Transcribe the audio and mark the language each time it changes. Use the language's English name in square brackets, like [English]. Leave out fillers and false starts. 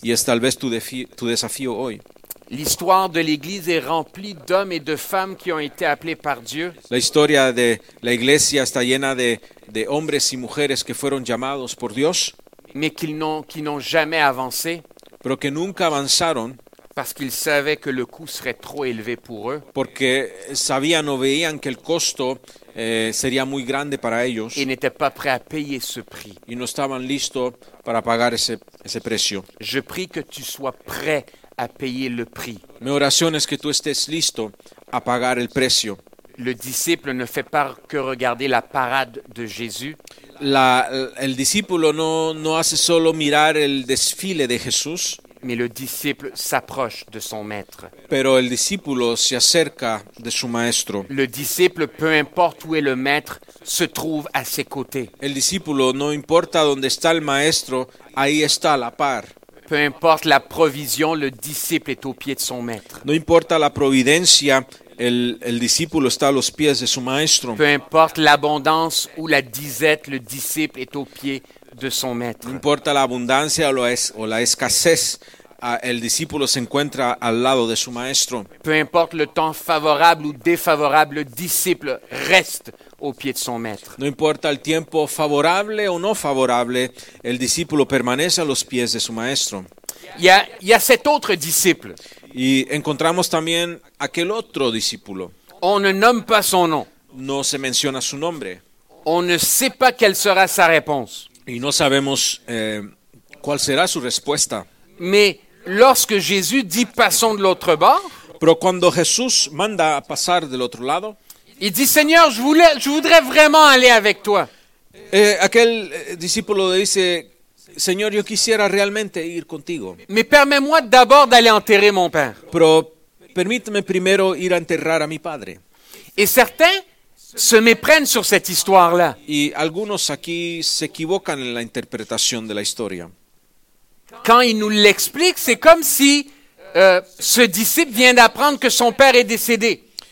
[Spanish] Y es tal vez tu desafío hoy. [French] L'histoire de l'Église est remplie d'hommes et de femmes qui ont été appelés par Dieu. [Spanish] La historia de la Iglesia está llena de hombres y mujeres que fueron llamados por Dios. [French] Mais qui n'ont jamais avancé. [Spanish] Pero que nunca avanzaron. [French] Parce qu'ils savaient que le coût serait trop élevé pour eux. [Spanish] Porque sabían o veían que el costo sería muy grande para ellos. [French] Ils n'étaient pas prêts à payer ce prix. [Spanish] Y no estaban listos para pagar ese precio. [French] Je prie que tu sois prêt à payer le prix. [Spanish] Mi oración es que tú estés listo a pagar el precio. [French] Le disciple ne fait pas que regarder la parade de Jésus. [Spanish] El discípulo no hace solo mirar el desfile de Jesús. [French] mais le disciple s'approche de son maître. [Spanish] Pero el discípulo se acerca de su maestro. [French] Le disciple, peu importe où est le maître, se trouve à ses côtés. [Spanish] El discípulo, no importa dónde está el maestro, ahí está a la par. [French] Peu importe la provision, le disciple est au pied de son maître. [Spanish] No importa la providencia, el discípulo está a los pies de su maestro. [French] Peu importe l'abondance ou la disette, le disciple est au pied de son maître. [Spanish] No importa la abundancia o la escasez, el discípulo se encuentra al lado de su maestro. [French] Peu importe le temps favorable ou défavorable, le disciple reste au pied de son maître. [Spanish] No importa el tiempo favorable o no favorable, el discípulo permanece a los pies de su maestro. [French] Y a cet autre disciple. [Spanish] Y encontramos también aquel otro discípulo. [French] On ne nomme pas son nom. [Spanish] No se menciona su nombre. [French] On ne sait pas quelle sera sa réponse. [Spanish] Y no sabemos cuál será su respuesta. [French] Mais lorsque Jésus dit passons de l'autre bord, [Spanish] pero cuando Jesús manda a pasar del otro lado, [French] il dit Seigneur, je voudrais vraiment aller avec toi. [Spanish] Aquel discípulo le dice Señor, yo quisiera realmente ir contigo. [French] Mais permets-moi d'abord d'aller enterrer mon père. [Spanish] Pero permíteme primero ir a enterrar a mi padre. [French] Et certains se méprennent sur cette histoire-là. [Spanish] Y algunos aquí se equivocan en la interpretación de la historia. [French] Quand ils nous l'expliquent, c'est comme si ce disciple vient d'apprendre que son père est décédé.